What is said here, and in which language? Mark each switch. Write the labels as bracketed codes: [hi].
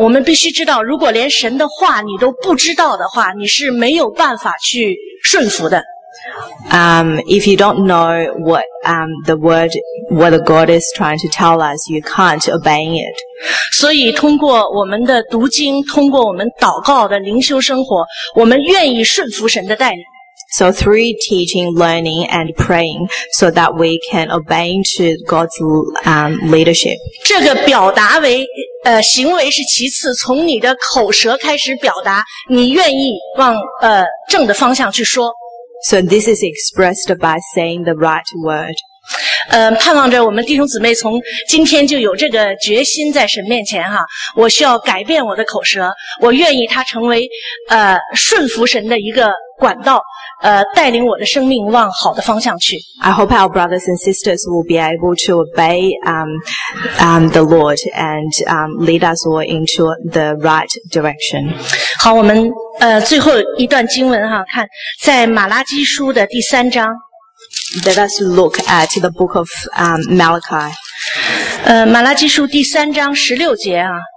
[zh] 我们必须知道，如果连神的话你都不知道的话，你是没有办法去顺服的。 [en] If you don't know what the God is trying to tell us, you can't obey it. [zh] 所以通过我们的读经，通过我们祷告的灵修生活，我们愿意顺服神的带领。 [en] So through teaching, learning, and praying, so that we can obey to God's leadership. [zh] 这个表达为行为是其次，从你的口舌开始表达，你愿意往正的方向去说。 [en] So this is expressed by saying the right word. [zh] 盼望着我们弟兄姊妹从今天就有这个决心在神面前哈，我需要改变我的口舌，我愿意它成为顺服神的一个管道。带领我的生命往好的方向去。 [en] I hope our brothers and sisters will be able to obey the Lord and lead us all into the right direction. [zh] 好，我们最后一段经文哈，看在马拉基书的第三章。 [en] Let us look at the book of Malachi. [zh] 马拉基书第三章十六节啊。